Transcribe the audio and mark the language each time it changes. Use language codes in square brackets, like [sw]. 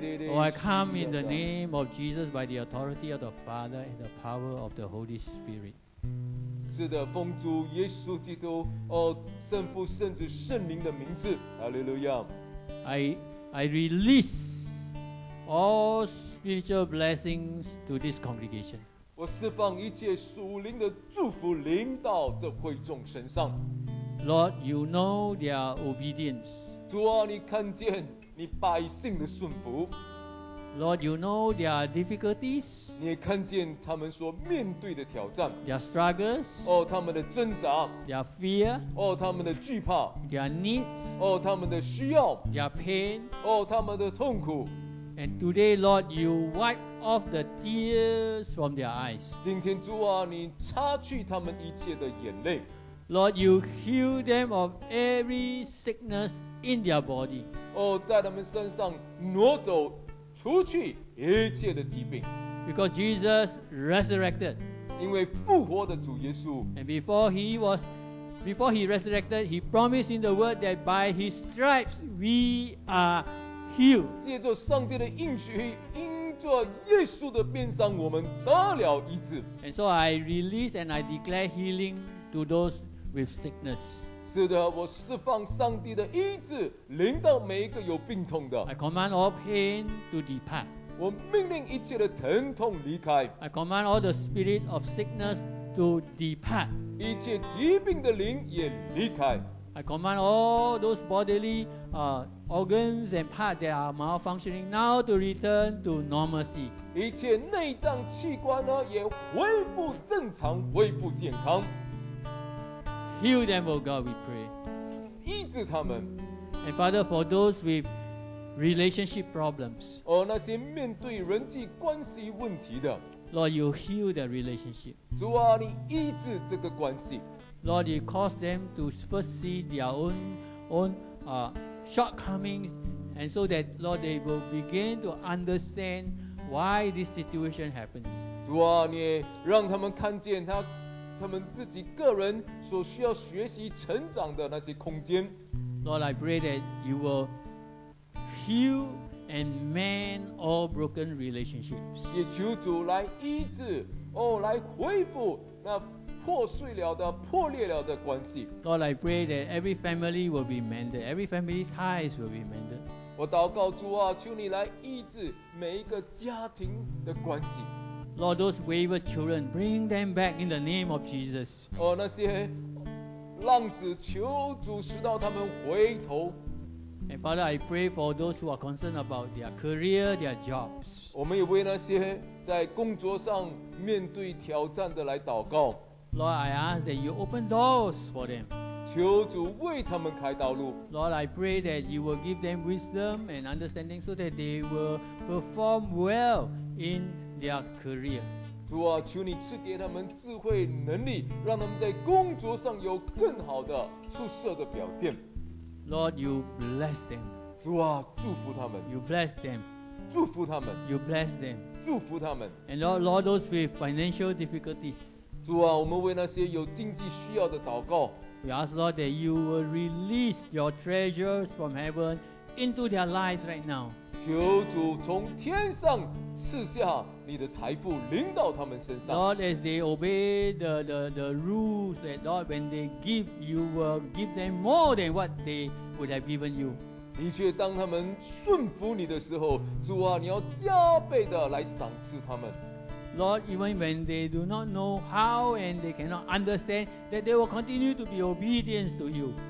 [en] Oh, I come in the name of Jesus by the authority of the Father and the power of the Holy Spirit. [zh] 是的，奉主耶稣基督，圣父、圣子、圣灵的名字，哈利路亚。 [en] I release all spiritual blessings to this congregation. [zh] 我释放一切属灵的祝福临到这会众身上。 [en] Lord, you know their obedience. [zh] 主啊，你看见你百姓的顺服。 [en] Lord, you know their difficulties. [zh] 你也看见他们所面对的挑战。 [en] Their struggles. [zh] 哦，他们的挣扎。 [en] Their fear. [zh] 哦，他们的惧怕。 [en] Their needs. [zh] 哦，他们的需要。 [en] Their pain. [zh] 哦，他们的痛苦。 [en] And today, Lord, you wipe off the tears from their eyes. [zh] 今天主啊，你擦去他们一切的眼泪。 [en] Lord, you heal them of every sickness in their body. [zh] Oh, 在他们身上挪走除去一切的疾病。 [en] Because Jesus resurrected. [zh] 因为复活的主耶稣。 [en] And before he resurrected, he promised in the word that by his stripes we are healed. [zh] 借着上帝的应许，因着耶稣的鞭伤，我们得了医治。 [en] And so I release and I declare healing to those with sickness. [zh] 是的，我释放上帝的医治临到每一个有病痛的。 [en] I command all pain to depart. [zh] 我命令一切的疼痛离开。 [en] I command all the spirit of sickness to depart. [zh] 一切疾病的灵也离开。 [en] I command all those bodily organs and parts that are malfunctioning now to return to normalcy. [zh] 一切内脏器官呢也恢复正常，恢复健康。 [en] Heal them, O God, we pray. [zh] 医治他们。 [en] And Father, for those with relationship problems, [zh] 哦，那些面对人际关系问题的。 [en] Lord, you heal their relationship. [zh] 主啊，你医治这个关系。 [en] Lord, you cause them to first see their own shortcomings, and so that, Lord, they will begin to understand why this situation happens. [zh] 主啊，你让他们看见他们自己个人所需要学习成长的那些空间。 [en] Lord, I pray that you will heal and mend all broken relationships. [zh] 也求主来医治，哦，来恢复那破碎了的、破裂了的关系。 [en] Lord, I pray that every family will be mended, every family ties will be mended. [zh] 我祷告主啊，求你来医治每一个家庭的关系。 [en] Lord, those wayward children, bring them back in the name of Jesus. [zh] 哦，那些浪子，求主使到他们回头。 [en] And Father, I pray for those who are concerned about their career, their jobs. [zh] 我们也为那些在工作上面对挑战的来祷告。 [en] Lord, I ask that you open doors for them. [zh] 求主为他们开道路。 [en] Lord, I pray that you will give them wisdom and understanding so that they will perform well in their career. [zh] 主啊，求你赐给他们智慧能力，让他们在工作上有更好的出色的表现。 [en] Lord, you bless them. [zh] 主啊，祝福他们。 [en] You bless them. [zh] 祝福他们。 [en] You bless them. [zh] 祝福他们。 [en] And Lord, those with financial difficulties. [zh] 主啊，我们为那些有经济需要的祷告。 [en] We ask Lord that you will release your treasures from heaven into their lives right now. [zh] 求主从天上赐下你的财富临到他们身上。 [en] Lord, as they obey the rules, that Lord, when they give, you will give them more than what they would have given you. [zh] 的确，当他们顺服你的时候，主啊，你要加倍的来赏赐他们。 [en] Lord, even when they do not know how and they cannot understand, that they will continue to be obedient to you.